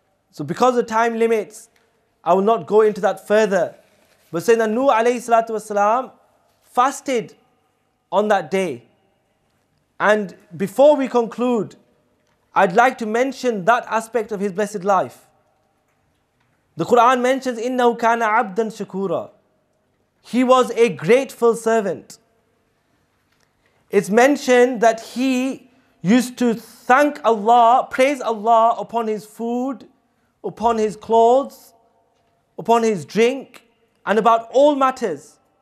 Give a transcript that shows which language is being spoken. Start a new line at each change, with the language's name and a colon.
English: So because of time limits, I will not go into that further. But Sayyiduna Nuh alayhi salatu wasalam fasted on that day. And before we conclude, I'd like to mention that aspect of his blessed life. The Quran mentions,
Arabic: إِنَّهُ كَانَ عَبْدًا شَكُورًا.
English: He was a grateful servant. It's mentioned that he used to thank Allah, praise Allah upon his food, upon his clothes, upon his drink, and about all matters.